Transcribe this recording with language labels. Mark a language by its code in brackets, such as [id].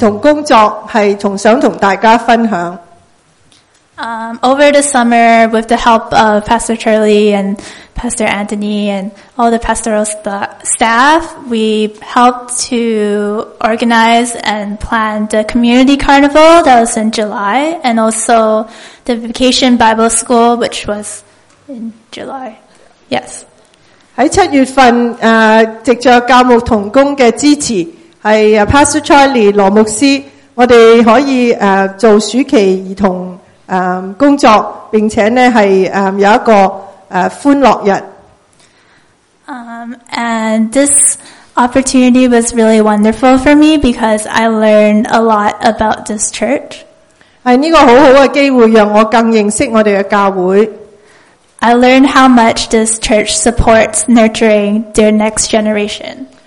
[zh] 是我们暑期的儿童工作，是想跟大家分享。 [en] Over the summer, with the help of Pastor Charlie and Pastor Anthony and all the pastoral staff, we helped to organize and plan the community carnival that was in July, and also the vacation Bible school, which was in July. Yes. [zh] 在7月份，藉着教牧同工的支持，是Pastor Charlie罗牧师，我们可以做暑期儿童工作，并且有一个欢乐日。 [en] And this opportunity was really wonderful for me because I learned a lot about this church. [zh] 是这个很好的机会让我更认识我们的教会。 [en] I learned how much this church supports nurturing their next generation.